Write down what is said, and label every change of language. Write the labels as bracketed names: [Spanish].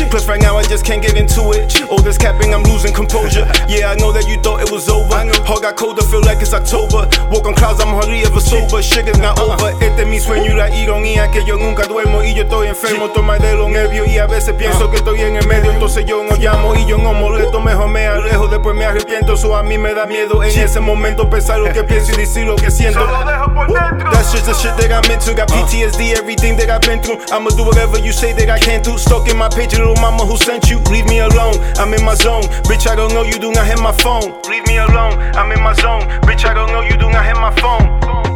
[English] Plus right now, I just can't get into it. All this capping, I'm losing composure. Yeah, I know that you thought it was over. Heart got colder, feel like it's October. Walk on clouds, I'm hardly ever sober. Shit is not over. [Spanish] Este mi sueño y la ironía que yo nunca duermo. Y yo estoy enfermo, toma de los nervios. Y a veces pienso que estoy en el medio. Entonces yo no llamo y yo no molesto. Mejor me alejo, después me arrepiento. So a mí me da miedo en ese momento pensar lo que pienso y decir lo que siento. [English] That's just the shit that I'm into. Got PTSD, everything that I've been through. I'ma do whatever you say that I can't do. Stuck in my page, little mama who sent you. Leave me alone, I'm in my zone. Bitch, I don't know you, do not hit my phone. Leave me alone, I'm in my zone. Bitch, I don't know you, do not hit my phone.